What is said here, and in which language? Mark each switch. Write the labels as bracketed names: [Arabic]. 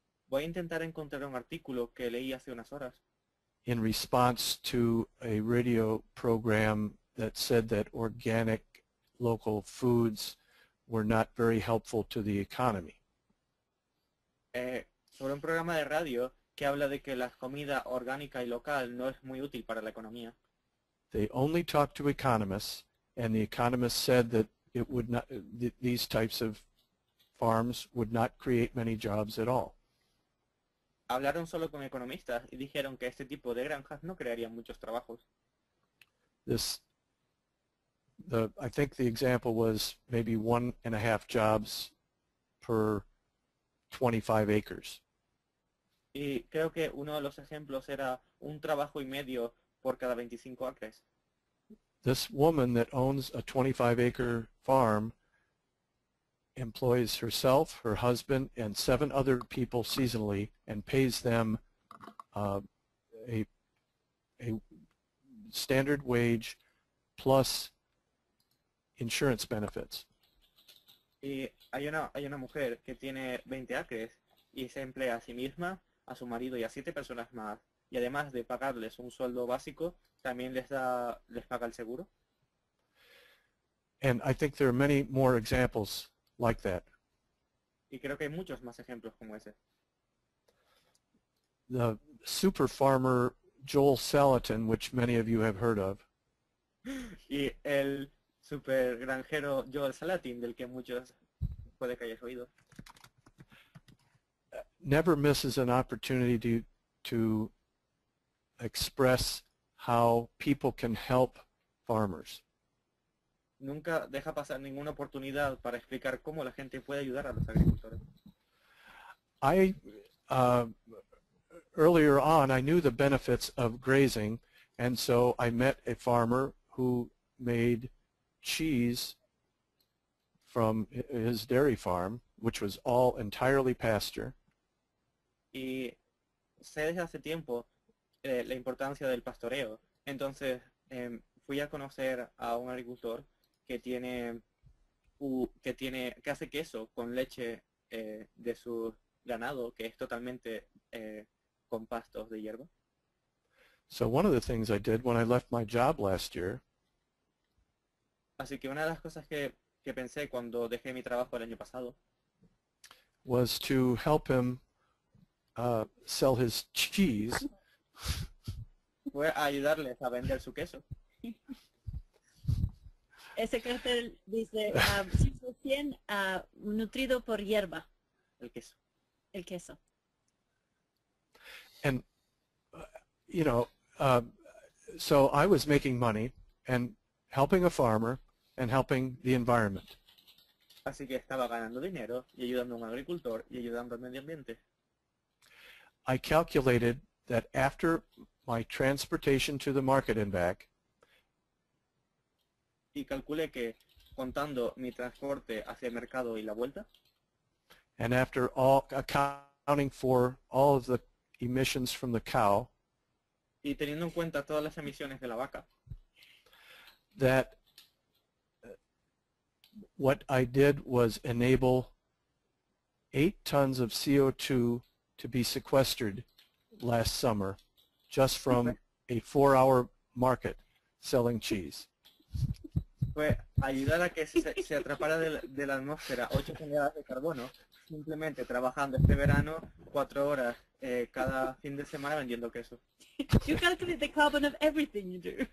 [Spanish] Voy a intentar encontrar un artículo que leí hace unas horas. [English] In response to a radio program that said that organic local foods were not very helpful to the economy. [Spanish] Sobre un programa de radio que habla de que la comida orgánica y local no es muy útil para la economía. [English] They only talked to economists, and the economists said that it would not, these types of farms would not create many jobs at all. [Spanish] Hablaron solo con economistas y dijeron que este tipo de granjas no crearían muchos trabajos. [English] I think the example was maybe 1.5 jobs per 25 acres. [Spanish] Y creo que uno de los ejemplos era un trabajo y medio por cada 25 acres. [English] This woman that owns a 25-acre farm employs herself, her husband, and 7 other people seasonally and pays them a standard wage plus insurance benefits. [Spanish] Y hay una mujer que tiene 20 acres y se emplea a sí misma, a su marido y a 7 personas más. Y además de pagarles un sueldo básico, también les paga el seguro. [English] And I think there are many more examples like that. [Spanish] Y creo que hay muchos más ejemplos como ese. [English] The super farmer Joel Salatin, which many of you have heard of. [Spanish] Y el super granjero Joel Salatin, del que muchos puede que hayas oído. [English] Never misses an opportunity to express how people can help farmers. [Spanish] Nunca deja pasar ninguna oportunidad para explicar cómo la gente puede ayudar a los agricultores. [English] Earlier on, I knew the benefits of grazing, and so I met a farmer who made cheese from his dairy farm, which was all entirely pasture. [Spanish] Y sé desde hace tiempo la importancia del pastoreo. Entonces, fui a conocer a un agricultor que hace queso con leche de su ganado, que es totalmente con pastos de hierba. [English] So one of the things I did when I left my job last year. [Spanish] Así que una de las cosas que pensé cuando dejé mi trabajo el año pasado [English] was to help him sell his cheese. [Spanish] Voy a ayudarles a vender su queso. Ese cartel dice 100% nutrido por hierba. El queso. [English] And you know, so I was making money and helping a farmer and helping the environment. [Spanish] Así que estaba ganando dinero y ayudando a un agricultor y ayudando al medio ambiente. [English] I calculated that after my transportation to the market and back, [Spanish] y calculé que contando mi transporte hacia el mercado y la vuelta, [English] and after all accounting for all of the emissions from the cow, [Spanish] y teniendo en cuenta todas las emisiones de la vaca, [English] that what I did was enable 8 tons of CO2 to be sequestered last summer just from a 4-hour market selling cheese. [Spanish] Fue ayudar a que se atrapara de la atmósfera 8 toneladas de carbono simplemente trabajando este verano 4 horas cada fin de semana vendiendo queso. [English] You calculate the carbon of everything you do.